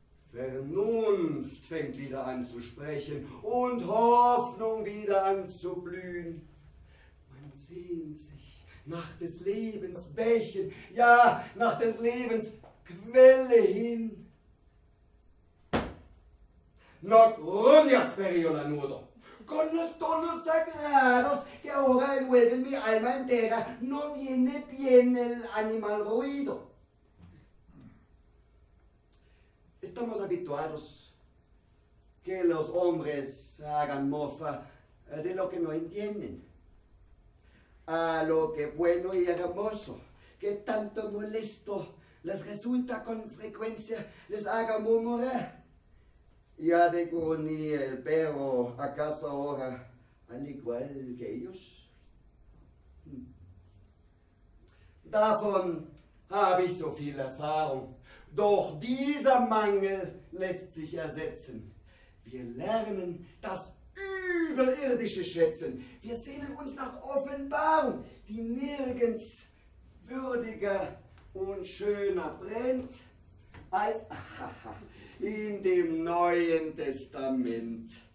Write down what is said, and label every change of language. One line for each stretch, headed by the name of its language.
German: Vernunft fängt wieder an zu sprechen und Hoffnung wieder an zu blühen. Man sehnt sich nach des Lebens Bächen, ja, nach des Lebens Quelle hin.
Spanish: No gruñas, perrillo lanudo. Con los tonos sagrados que ahora envuelven mi alma entera, no viene bien el animal ruido. Estamos habituados que los hombres hagan mofa de lo que no entienden, a lo que bueno y hermoso, que tanto molesto les resulta con frecuencia, les haga murmurar. ¿Y ha de gruñir el perro acaso ahora al igual que ellos?
German: Davon habe ich so viel Erfahrung. Doch dieser Mangel lässt sich ersetzen. Wir lernen das Überirdische schätzen. Wir sehnen uns nach Offenbarung, die nirgends würdiger und schöner brennt als in dem Neuen Testament.